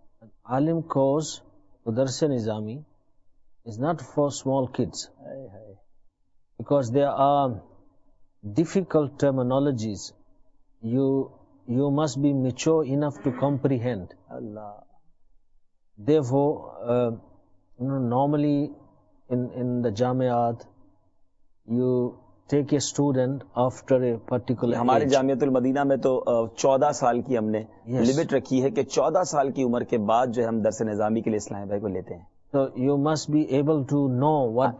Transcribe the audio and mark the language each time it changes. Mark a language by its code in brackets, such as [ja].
[en] And alim course to Darse Nizami is not for small kids, because there are difficult terminologies you must be mature enough to comprehend. Allah. Therefore, normally in the Jamiat, you take a student after a particular age. [ur] ہمارے جامعۃ المدینہ میں تو 14 سال کی ہم نے limit رکھی ہے کہ 14 سال کی عمر کے بعد جو ہے ہم درس نظامی کے لیے اسلام بھائی کو لیتے ہیں. [en] So you must be able to know what